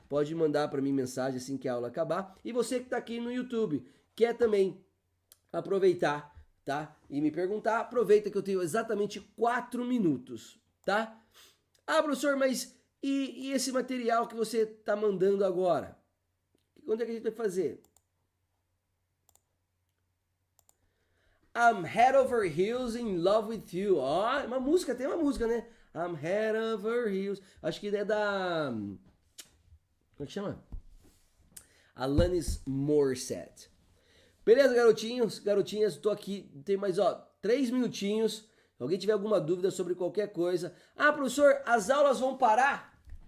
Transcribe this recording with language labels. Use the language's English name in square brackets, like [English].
[Portuguese] Pode mandar para mim mensagem assim que a aula acabar. E você que está aqui no YouTube quer também aproveitar, tá? E me perguntar, aproveita que eu tenho exatamente 4 minutos. Tá? Ah, professor, mas e esse material que você está mandando agora? Quando é que a gente vai fazer? [English] I'm head over heels in love with you. [Portuguese] Ó, oh, uma música, tem uma música, né? [English] I'm head over heels. [Portuguese] Acho que é da... Como é que chama? Alanis Morissette. Beleza, garotinhos, garotinhas, tô aqui, tem mais, ó, 3 minutinhos. Se alguém tiver alguma dúvida sobre qualquer coisa. Ah, professor, as aulas vão parar?